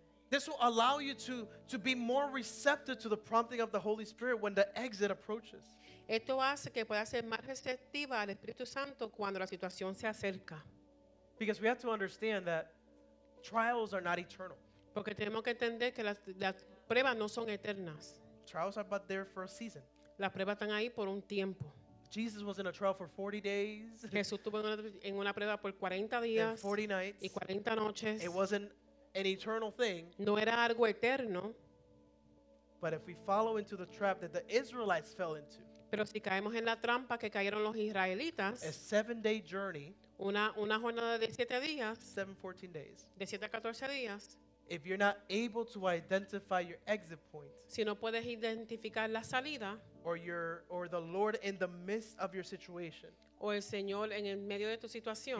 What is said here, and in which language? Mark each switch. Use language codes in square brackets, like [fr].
[en] This will allow you to be more receptive to the prompting of the Holy Spirit when the exit approaches. [es] Esto hace que pueda ser más receptiva al Espíritu Santo cuando la situación se acerca. [en] Because we have to understand that trials are not eternal. [es] Porque tenemos que entender que las pruebas no son eternas. [en] Trials are but there for a season. [es] Las pruebas están ahí por un tiempo. [en] Jesus was in a trial for 40 days. [es] Jesús estuvo en una prueba por 40 días. [en] And 40 nights. [es] Y 40 noches. [en] It wasn't an eternal thing. [es] No era algo eterno. [en] But if we follow into the trap that the Israelites fell into. [es] Pero si caemos en la trampa que cayeron los israelitas. [en] A 7-day journey. [es] Una jornada de 7 días. [en] 7-14 days. [es] De 7 a 14 días. [en] If you're not able to identify your exit point, [es] si no puedes identificar la salida, [en] or the Lord in the midst of your situation, [es] o el Señor en el medio de tu situación,